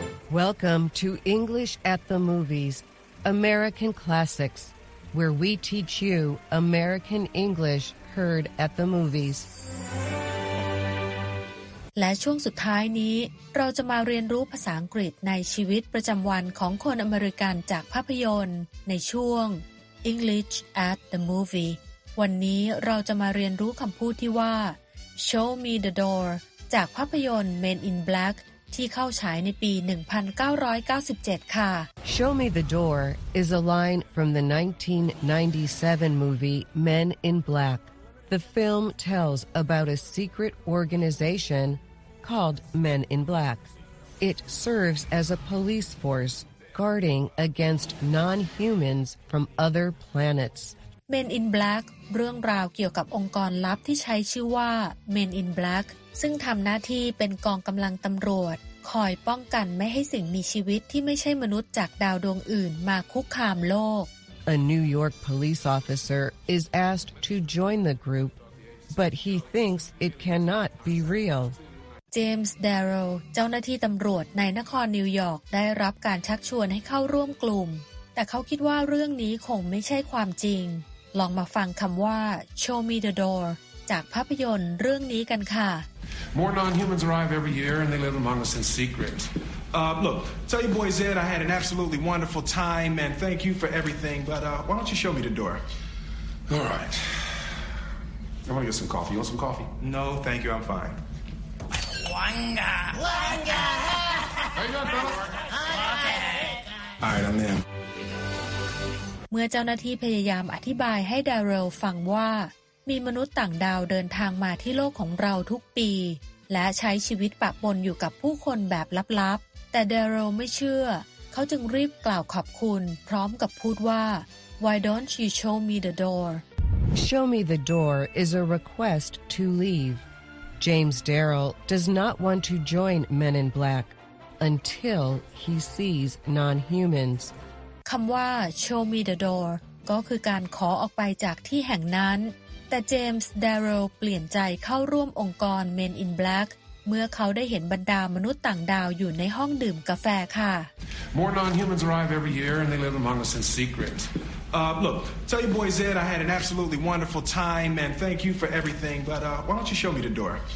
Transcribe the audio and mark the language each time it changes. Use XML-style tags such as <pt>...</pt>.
<en>Welcome to English at the Movies, American Classics, where we teach you American English heard at the movies.</en> <th>และช่วงสุดท้ายนี้เราจะมาเรียนรู้ภาษาอังกฤษในชีวิตประจำวันของคนอเมริกันจากภาพยนตร์ในช่วง English at the Movie. วันนี้เราจะมาเรียนรู้คำพูดที่ว่า Show me the door จากภาพยนตร์ Men in Black. ที่เข้าฉายในปี1997ค่ะ</th> <en>Show me the door is a line from the 1997 movie Men in Black. The film tells about a secret organization called Men in Black. It serves as a police force guarding against non-humans from other planets.</en> <th>Men in Black เรื่องราวเกี่ยวกับองค์กรลับที่ใช้ชื่อว่า Men in Black ซึ่งทำหน้าที่เป็นกองกำลังตำรวจคอยป้องกันไม่ให้สิ่งมีชีวิตที่ไม่ใช่มนุษย์จากดาวดวงอื่นมาคุกคามโลก</th> <en>A New York police officer is asked to join the group, but he thinks it cannot be real.</en> <th>James Darrow, เจ้าหน้าที่ตำรวจในนครนิวยอร์กได้รับการชักชวนให้เข้าร่วมกลุ่มแต่เขาคิดว่าเรื่องนี้คงไม่ใช่ความจริงลองมาฟังคำว่า Show me the door จากภาพยนตร์เรื่องนี้กันค่ะ</th> <en>More non-humans arrive every year and they live among us in secret. Look, tell your boy Zed I had an absolutely wonderful time, and thank you for everything, but why don't you show me the door? All right. I want to get some coffee. You want some coffee? No, thank you. I'm fine. Wanga! Wanga! There you go, fellas. Okay. All right, I'm in.</en> <th>เมื่อเจ้าหน้าที่พยายามอธิบายให้ดาริลฟังว่ามีมนุษย์ต่างดาวเดินทางมาที่โลกของเราทุกปีและใช้ชีวิตปะปนอยู่กับผู้คนแบบลับๆแต่ดาริลไม่เชื่อเขาจึงรีบกล่าวขอบคุณพร้อมกับพูดว่า</th> <en>Why don't you show me the door? Show me the door is a request to leave. James Darrell does not want to join Men in Black until he sees non-humans.</en> <th>คำว่า show me the door ก็คือการขอออกไปจากที่แห่งนั้นแต่เจมส์ดาริลเปลี่ยนใจเข้าร่วมองค์กร Men in Black เมื่อเขาได้เห็นบรรดามนุษย์ต่างดาวอยู่ในห้องดื่มกาแฟค่ะ</th> <en>More non-humans arrive every year and they live among us in secret. Look, tell your boy Zed I had an absolutely wonderful time and thank you for everything, but why don't you show me the door?</en>